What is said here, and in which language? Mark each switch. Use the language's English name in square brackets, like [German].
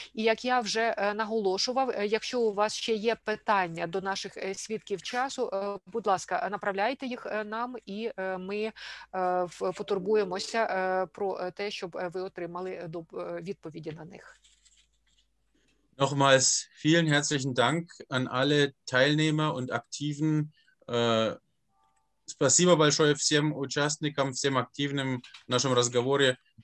[Ukrainian] І як я вже наголошував, якщо у вас ще є питання до наших свідків часу, будь ласка, направляйте їх нам, і ми потурбуємося про те, щоб ви отримали відповіді на них. [German] Nochmals vielen herzlichen Dank an alle Teilnehmer und Aktiven. [Russian] Спасибо большое всем участникам, всем активным в нашем разговоре.